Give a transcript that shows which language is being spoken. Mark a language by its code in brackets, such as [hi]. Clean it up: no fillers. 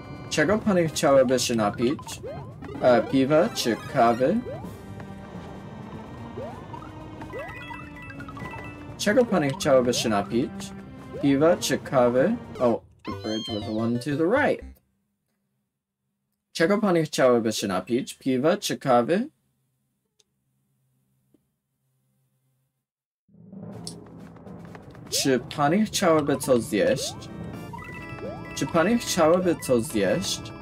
[pl] Czego pani chciałaby się napić? Piwa czy kawy? Czego pani chciałaby się napić? Piwa czy kawy? [en] Oh, the bridge was the one to the right. [pl] Czego pani chciałaby się napić? Piwa czy kawy? Czy pani chciałaby coś zjeść? Czy pani chciałaby coś zjeść?